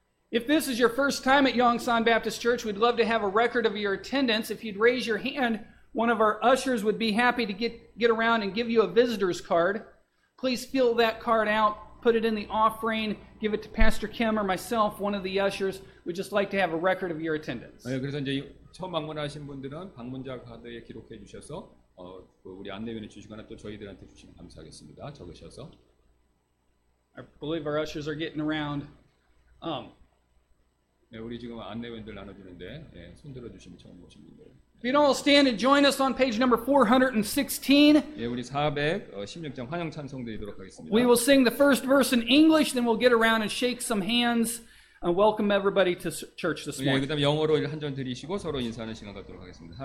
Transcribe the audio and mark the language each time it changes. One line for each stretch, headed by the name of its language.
English: If this is your first time at Yongsan Baptist Church, we'd love to have a record of your attendance. If you'd raise your hand, one of our ushers would be happy to get around and give you a visitor's card. Please fill that card out. Put it in the offering, give it to Pastor Kim or myself, one of the ushers. We'd just like to have a record of your attendance.
Korean: 네, 그래서 이제 처음 방문하신 분들은 방문자 카드에 기록해 주셔서 우리 안내면에 주시거나 또 저희들한테 주시면 감사하겠습니다. 적으셔서.
English: I believe our ushers are getting around.
Korean: 네, 우리 지금 안내면들 나눠주는데 네, 손 들어주시면 처음 오신 분들.
English: If you'd all stand and join us on page number 416.
Korean: 예, 416장 환영 찬송 드리도록 하겠습니다.
English: We will sing the first verse in English, then we'll get around and shake some hands and welcome everybody to church this morning.
Korean: 예, 그다음 영어로 한절 드리시고 서로 인사하는 시간 갖도록 하겠습니다.